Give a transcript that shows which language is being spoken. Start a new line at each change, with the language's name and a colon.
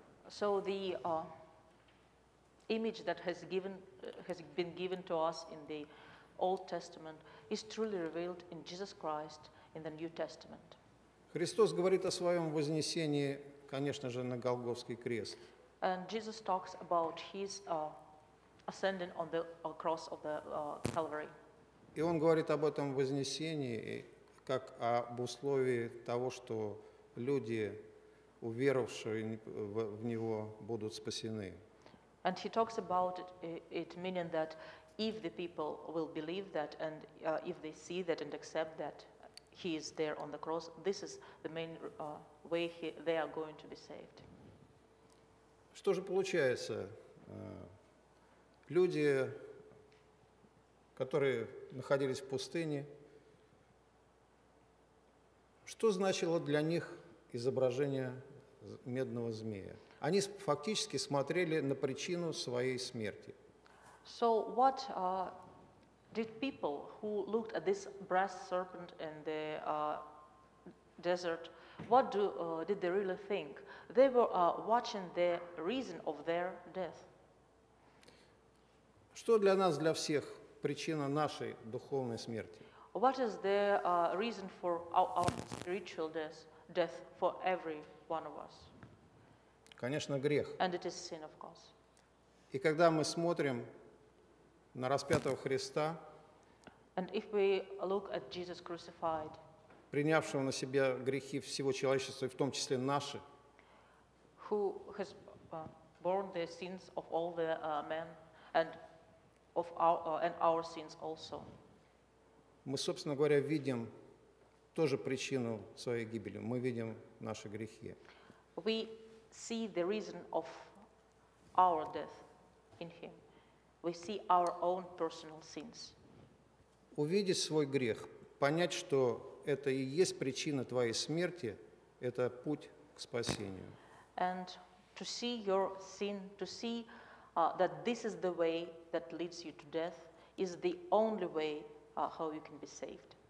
English: So the image that has been given to us in the Old Testament is truly revealed in Jesus Christ in the New Testament.
Russian: Христос говорит о своем вознесении, конечно же, на Голгофский крест.
English: And Jesus talks about his ascending on the cross of the Calvary.
Russian: И он говорит об этом вознесении как об условии того, что люди, уверовавшие в него, будут спасены.
English: And he talks about it meaning that if the people will believe that and if they see that and accept that he is there on the cross, this is the main way they are going to be saved.
Russian: Что же получается? Люди, которые находились в пустыне, что значило для них изображение медного змея? Они фактически смотрели на причину своей смерти.
English: So what did people who looked at this brass serpent in the desert, what did they really think? They were watching the reason of their death.
Russian: Что для нас, для всех, причина нашей духовной смерти?
English: What is the reason for our spiritual death for every one of us?
Russian: Конечно, грех.
English: And it is sin, of course.
Russian: И когда мы смотрим на распятого Христа,
English: and if we look at Jesus crucified,
Russian: принявшего на себя грехи всего человечества, и в том числе наши,
English: who has borne the sins of all the men, and of our and our sins also.
Russian: Мы, собственно говоря, видим тоже причину своей гибели. Мы видим наши грехи.
English: We see the reason of our death in him. We see our own personal sins.
Russian: Увидеть свой грех, понять, что это и есть причина твоей смерти, это путь к спасению.
English: and to see your sin, to see that this is the way that leads you to death, is the only way how you can be saved.